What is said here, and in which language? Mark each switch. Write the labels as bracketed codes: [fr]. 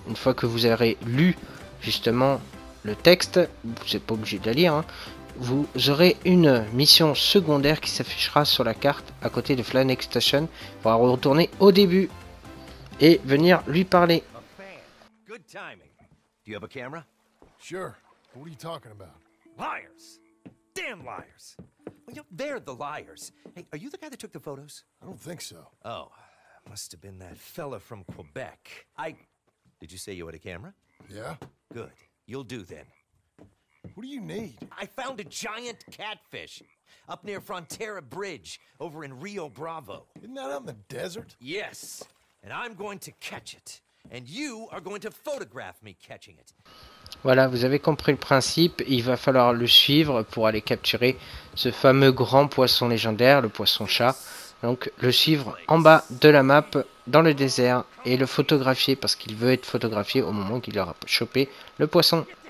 [fr] Une fois que vous aurez lu justement le texte, vous n'êtes pas obligé de la lire, hein, vous aurez une mission secondaire qui s'affichera sur la carte à côté de Flanex Station. Il faudra retourner au début et venir lui parler. [en] Good timing. Do you have a camera? Sure. What are you talking about? Liars! Damn liars! Well, yeah, they're the liars. Hey, are you the guy that took the photos? I don't think so. Oh, must have been that fella from Quebec. Did you say you had a camera? Yeah. Good. You'll do then. What do you need? I found a giant catfish up near Frontera Bridge over in Rio Bravo. Isn't that out in the desert? Yes. And I'm going to catch it. And you are going to photograph me catching it. [fr] Voilà, vous avez compris le principe. Il va falloir le suivre pour aller capturer ce fameux grand poisson légendaire, le poisson chat. Donc le suivre en bas de la map, dans le désert, et le photographier parce qu'il veut être photographié au moment qu'il aura chopé le poisson.